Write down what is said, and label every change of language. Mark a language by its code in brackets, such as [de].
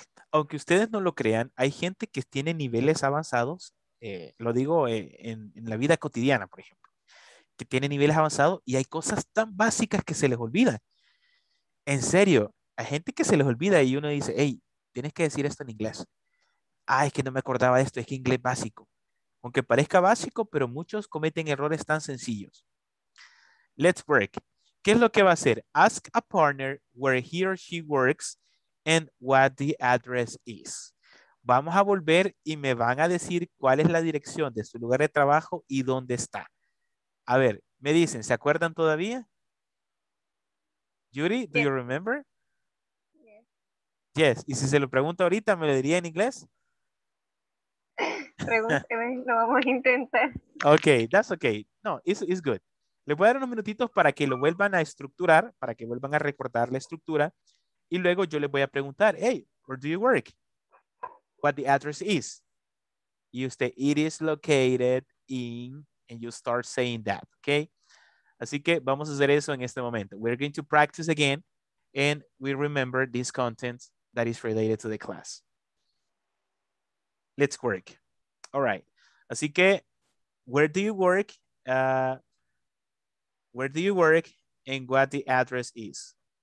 [es] Aunque ustedes no lo crean, hay gente que tiene niveles avanzados, lo digo en la vida cotidiana, por ejemplo, que tiene niveles avanzados y hay cosas tan básicas que se les olvida. En serio, hay gente que se les olvida y uno dice, hey, tienes que decir esto en inglés. Ay, es que no me acordaba de esto, es que inglés básico. Aunque parezca básico, pero muchos cometen errores tan sencillos. [en] Let's break. [es] ¿Qué es lo que va a hacer? [en] Ask a partner where he or she works and what the address is. [es] Vamos a volver y me van a decir cuál es la dirección de su lugar de trabajo y dónde está. A ver, me dicen, ¿se acuerdan todavía? Yuri, [en] do you remember? Yes. [es] ¿Y si se lo pregunto ahorita, me lo diría en inglés? Pregúnteme, lo vamos a intentar. [en] Ok, that's ok. No, it's good. [es] Les voy a dar unos minutitos para que lo vuelvan a estructurar, para que vuelvan a recordar la estructura. Y luego yo les voy a preguntar, hey, [en] where do you work? What the address is? [es] Y usted, [en] it is located in, and you start saying that, ok? [es] Así que vamos a hacer eso en este momento. [en] We're going to practice again, and we remember this content that is related to the class. Let's work. All right. [es] Así que, [en] where do you work? Where do you work and what the address is?